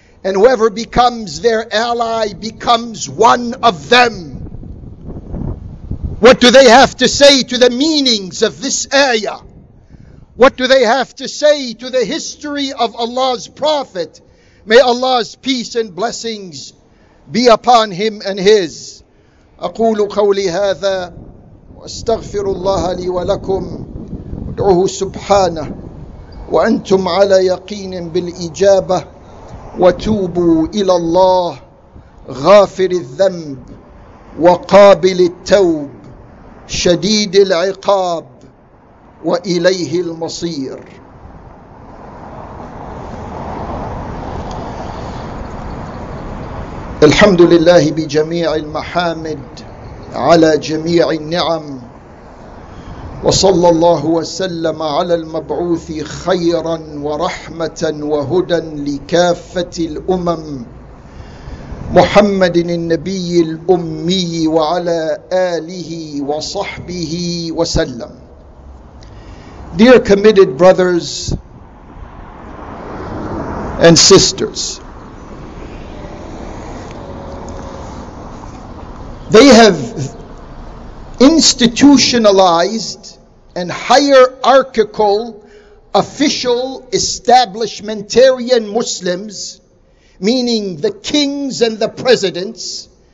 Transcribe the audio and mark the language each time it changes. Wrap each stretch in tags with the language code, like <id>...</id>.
<en>And whoever becomes their ally becomes one of them. What do they have to say to the meanings of this ayah? What do they have to say to the history of Allah's Prophet? May Allah's peace and blessings be upon him and his.</en> <ar>أقول قولي هذا وأستغفر الله لي ولكم وادعوه سبحانه وأنتم على يقين بالإجابة وتوبوا إلى الله غافر الذنب وقابل التوب شديد العقاب وإليه المصير. الحمد لله بجميع المحامد على جميع النعم وصلى الله وسلم على المبعوث خيرا ورحمة وهدى لكافة الأمم محمد النبي الأمي وعلى آله وصحبه وسلم.</ar> <en>Dear committed brothers and sisters, they have institutionalized and hierarchical official establishmentarian Muslims, meaning the kings and the presidents</en>